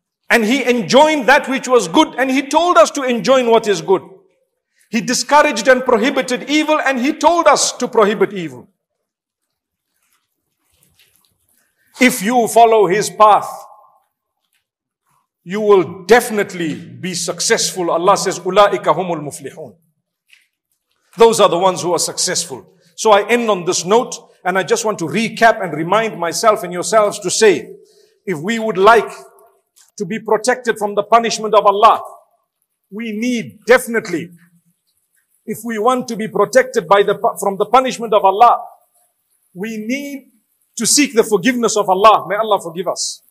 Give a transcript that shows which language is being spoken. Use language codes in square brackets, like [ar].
[en] And he enjoined that which was good, and he told us to enjoin what is good. He discouraged and prohibited evil, and he told us to prohibit evil. If you follow his path, you will definitely be successful. [ar] Allah says, أُولَٰئِكَ هُمُ الْمُفْلِحُونَ. [en] Those are the ones who are successful. So I end on this note, and I just want to recap and remind myself and yourselves to say, if we would like to be protected from the punishment of Allah, we need definitely, if we want to be protected from the punishment of Allah, we need to seek the forgiveness of Allah. May Allah forgive us.